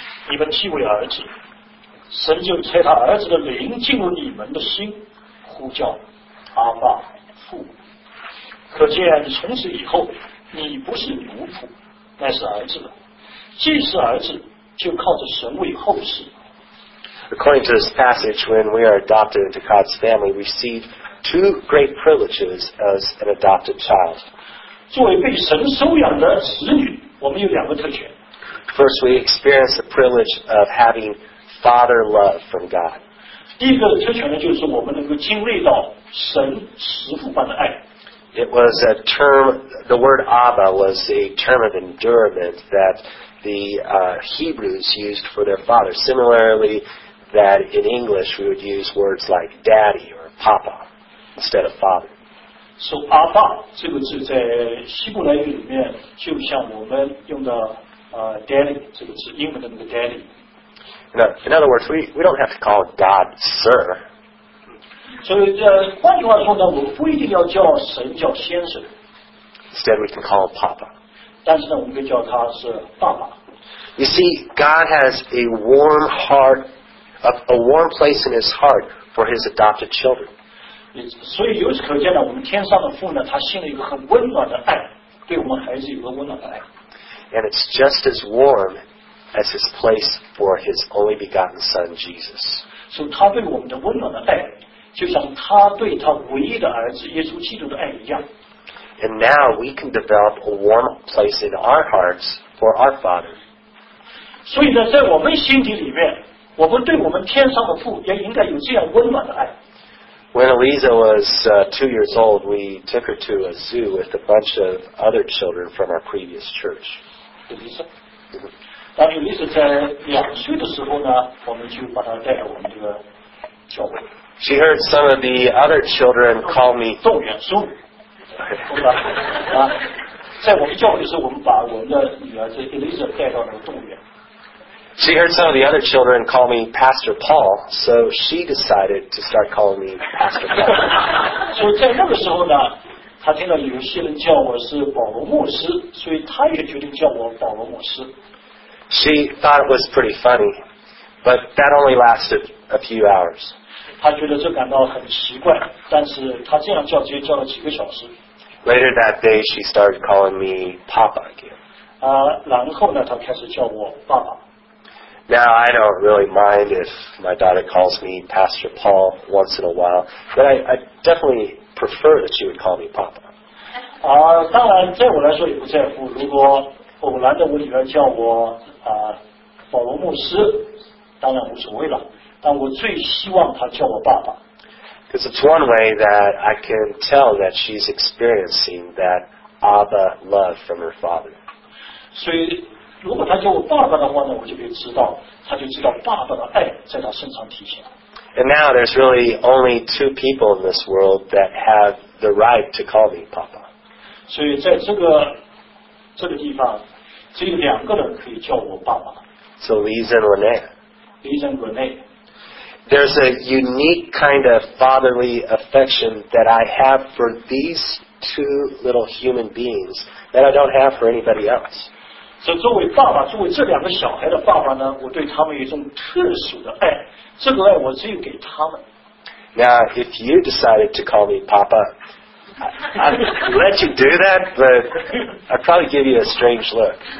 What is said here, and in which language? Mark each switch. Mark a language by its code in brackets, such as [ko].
[zh] 你们既为儿子，神就差他儿子的灵进入你们的心，呼叫阿爸父。可见从此以后你不是奴仆乃是儿子了既是儿子就靠着神为后世 [en] According to this passage when we are adopted into God's family we receive two great privileges as an adopted child [zh] 作为被神收养的子女我们有两个特权 [en] First we experience the privilege of having father love from God [zh] 第一个特权呢就是我们能够经历到神慈父般的爱 [en] It was a term, the word Abba was a term of endurance that the Hebrews used for their father. Similarly, that in English we would use words like daddy or papa instead of father. [zh] So Abba, 这个字在希伯来语里面就像我们用的daddy, 这个字英文的那个 daddy. [en] In other words, we don't have to call God sir. [zh] 所以换句话说呢我不一定要叫神叫先生 [en] Instead we can call him Papa [zh] 但是呢我们可以叫他是爸爸 [en] You see God has a warm heart a warm place in his heart for his adopted children [zh] 所以由此可见呢我们天上的父呢他心里有很温暖的爱对我们孩子有个温暖的爱 [en] And it's just as warm as his place for his only begotten son Jesus [zh] 所以他对我们的温暖的爱就像他对他唯一的儿子耶稣基督的爱一样。 [en] And now we can develop a warm place in our hearts for our Father. [zh] 所以呢，在我们心底里面，我们对我们天上的父也应该有这样温暖的爱。 [en] When Eliza was two years old, we took her to a zoo with a bunch of other children from our previous church. Eliza. [zh] 当Eliza在两岁的时候呢，我们就把她带到我们这个教会。 [en] She heard some of the other children call me [zh] 宋元书，懂吗？啊，在我们教会的时候，我们把我们的女儿这 Eliza 带到那个动物园。 [en] She heard some of the other children call me Pastor Paul, so she decided to start calling me Pastor Paul. [zh] 所以在那个时候呢，她听到有些人叫我是保罗牧师，所以她也决定叫我保罗牧师。 [en] She thought it was pretty funny, but that only lasted a few hours. [zh] 他觉得这感到很奇怪，但是他这样叫，直接叫了几个小时。 [en] Later that day, she started calling me Papa again. [zh] 然后呢，他开始叫我爸爸。 [en] Now I don't really mind if my daughter calls me Pastor Paul once in a while, but I definitely prefer that she would call me Papa. [zh] 当然，在我来说也不在乎。如果偶然的我女儿叫我保罗牧师，当然无所谓了。但我最希望他叫我爸爸。 [en] Because it's one way that I can tell that she's experiencing that Abba love from her father. [zh] 所以如果他叫我爸爸的话呢，我就可以知道，他就知道爸爸的爱在他身上体现。 [en] And now there's really only two people in this world that have the right to call me Papa. [zh] 所以在这个地方，只有两个人可以叫我爸爸。 [en] So Lise and Renee. Lise and Renee. There's a unique kind of fatherly affection that I have for these two little human beings that I don't have for anybody else. [zh] So, 作为爸爸，作为这两个小孩的爸爸呢，我对他们有一种特殊的爱，这个爱我只有给他们。 [en] Now, if you decided to call me Papa, I'd let you do that, but I'd probably give you a strange look.